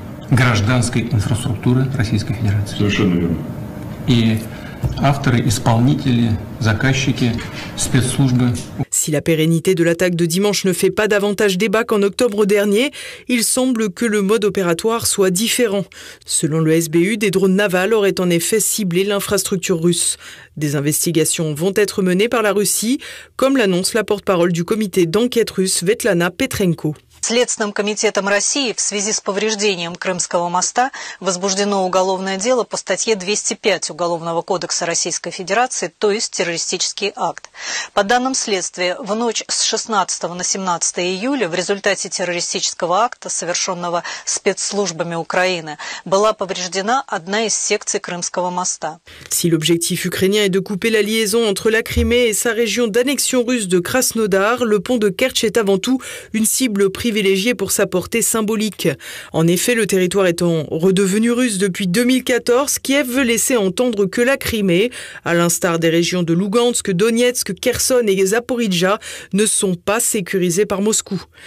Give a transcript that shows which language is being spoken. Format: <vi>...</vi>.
<ru>Гражданской инфраструктуры Российской Федерации. Совершенно верно. И авторы, исполнители, заказчики, спецслужбы.</ru> <fr>Si la pérennité de l'attaque de dimanche ne fait pas davantage débat qu'en octobre dernier, il semble que le mode opératoire soit différent. Selon le SBU, des drones navals auraient en effet ciblé l'infrastructure russe. Des investigations vont être menées par la Russie, comme l'annonce la porte-parole du comité d'enquête russe Svetlana Petrenko.</fr> <ru>Следственным комитетом России в связи с повреждением Крымского моста возбуждено уголовное дело по статье 205 Уголовного кодекса Российской Федерации, то есть террористический акт. По данным следствия, в ночь с 16 на 17 июля в результате террористического акта, совершенного спецслужбами Украины, была повреждена одна из секций Крымского моста.</ru> <fr>Si l'objectif ukrainien est de couper la liaison entre la Crimée et sa région d'annexion russe de Krasnodar, le pont de Kerch est avant tout une cible privilégié pour sa portée symbolique. En effet, le territoire étant redevenu russe depuis 2014, Kiev veut laisser entendre que la Crimée, à l'instar des régions de Lugansk, Donetsk, Kherson et Zaporijja, ne sont pas sécurisées par Moscou.</fr>